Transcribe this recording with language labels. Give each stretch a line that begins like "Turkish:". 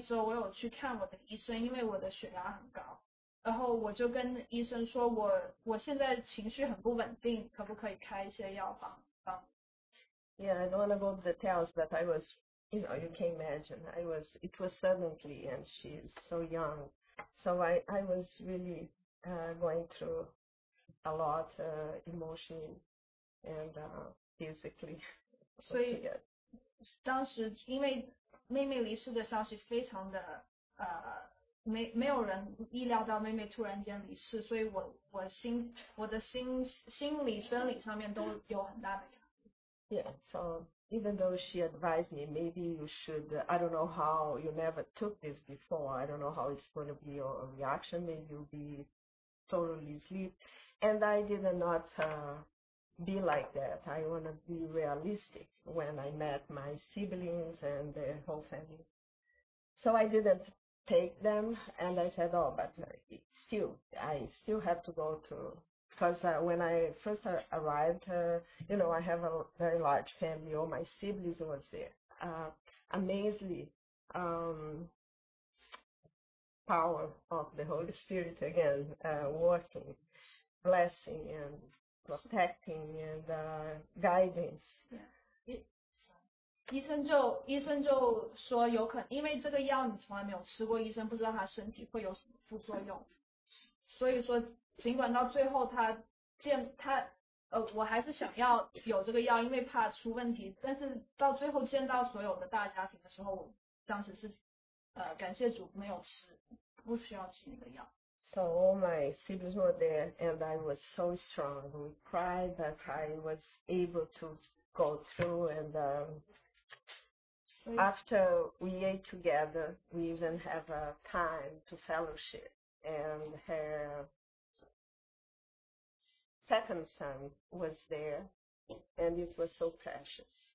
Chinese: 所以我走之前的那一周，我有去看我的医生，因为我的血压很高。然后我就跟医生说，我现在情绪很不稳定，可不可以开一些药帮？
English: Yeah, I don't want to go into details, but I was, you know, you can imagine, I was, it was suddenly, and she's so young, so I was really going through a lot emotionally and physically. 所以当时因为妹妹离世的消息非常的 没有人意料到妹妹突然间离世，所以我的心理生理上面都有很大的压力。 Yeah, so even though she advised me, maybe you should, I don't know how, you never took this before, I don't know how it's going to be your reaction, maybe you'll be totally asleep. And I did not be like that. I want to be realistic when I met my siblings and the whole family. So I didn't take them, and I said, oh, but I still have to go to, because when I first arrived, you know, I have a very large family, all my siblings was there. Amazingly, power of the Holy Spirit again, working, blessing, and protecting, and guidance. Yeah.
Chinese: 医生就说有可能，因为这个药你从来没有吃过，医生不知道他身体会有什么副作用。所以说，尽管到最后他见他我还是想要有这个药，因为怕出问题。但是到最后见到所有的大家庭的时候，我当时是感谢主没有吃，不需要吃那个药。
English: So all my siblings were there, and I was so strong. We cried that I was able to go through. And after we ate together, we even have a time to fellowship. And her second son was there, and it was so precious.